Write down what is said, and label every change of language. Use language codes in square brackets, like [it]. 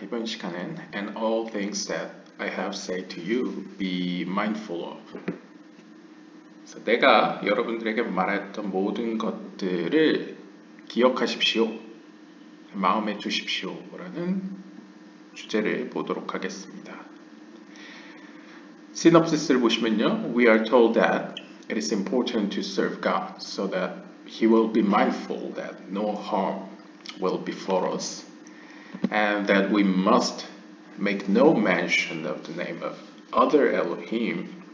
[ko] 이번 시간엔 [en] And all things that I have said to you, be mindful of. [ko] 그래서 내가 여러분들에게 말했던 모든 것들을 기억하십시오, 마음에 두십시오 라는 주제를 보도록 하겠습니다. 시놉시스를 보시면요, [en] We are told that it is important to serve God so that He will be mindful that no harm will befall us. And that we must make no mention of the name of other Elohim.